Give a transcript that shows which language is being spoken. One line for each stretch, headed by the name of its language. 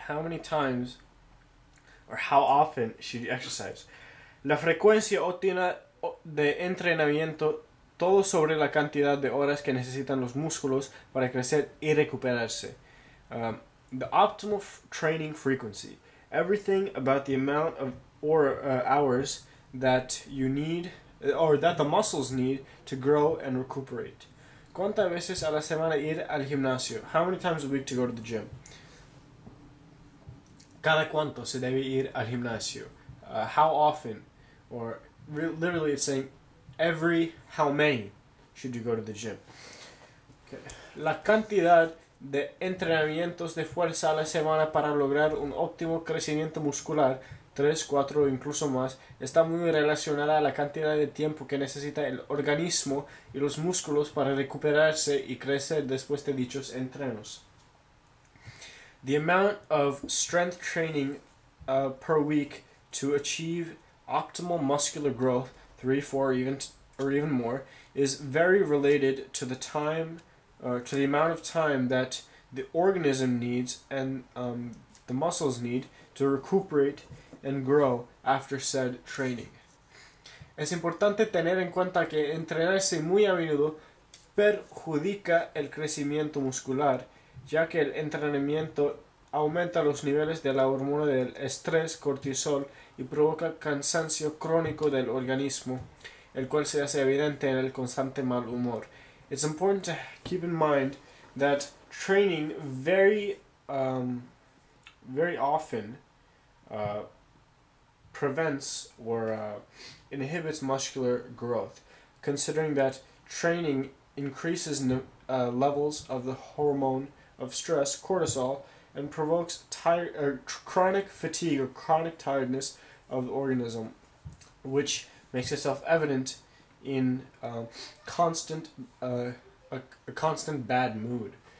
English: How many times or how often should you exercise?
Spanish: La frecuencia óptima de entrenamiento, todo sobre la cantidad de horas que necesitan los músculos para crecer y recuperarse.
English: The optimal training frequency. Everything about the amount of hours that you need or that the muscles need to grow and recuperate.
Spanish: ¿Cuántas veces a la semana ir al gimnasio?
English: How many times a week to go to the gym?
Spanish: ¿Cada cuánto se debe ir al gimnasio?
English: How often? Or literally it's saying every how many should you go to the gym? Okay.
Spanish: La cantidad de entrenamientos de fuerza a la semana para lograr un óptimo crecimiento muscular, 3, 4 o incluso más, está muy relacionada a la cantidad de tiempo que necesita el organismo y los músculos para recuperarse y crecer después de dichos entrenos.
English: The amount of strength training per week to achieve optimal muscular growth, 3, 4 or even more, is very related to the time to the amount of time that the organism needs and the muscles need to recuperate and grow after said training.
Spanish: Es importante tener en cuenta que entrenarse muy a menudo perjudica el crecimiento muscular, ya que el entrenamiento aumenta los niveles de la hormona del estrés, cortisol, y provoca cansancio crónico del organismo, el cual se hace evidente en el constante mal humor.
English: It's important to keep in mind that training very, very often prevents or inhibits muscular growth, considering that training increases levels of the hormone of stress, cortisol, and provokes chronic fatigue or chronic tiredness of the organism, which makes itself evident in a constant bad mood.